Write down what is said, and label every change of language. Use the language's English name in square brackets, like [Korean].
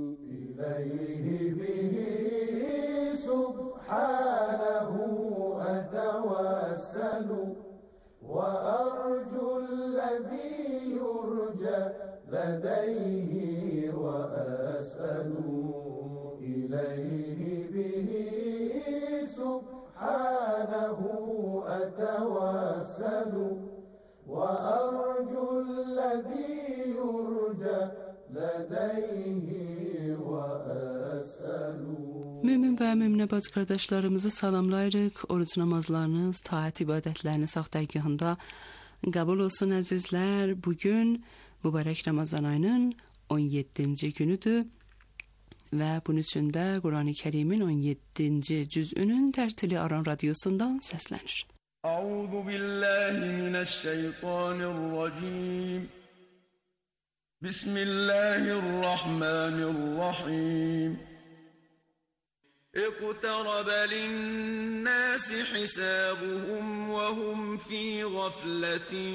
[Arabic] إليه به سبحانه أتوسل وأرجو الذي يرجى لديه وأسأل إليه به سبحانه أتوسل وأرجو الذي يرجى لديه وأسأل [Azerbaijani] Mümin və müminə bac qardaşlarımızı salamlayırıq. Oruc namazlarınız, taat ibadətləriniz sağ dərgahında qəbul olsun əzizlər. Bugün mübarək Ramazan ayının 17-ci günüdür və bunun üçün də Qurani Kərimin 17-ci cüzünün tərtili Aran Radiosundan səslənir. [Arabic] Əuzu billahi minəşşeytanirracim Bismillahirrahmanirrahim اقترب للناس حسابهم وهم في غفلة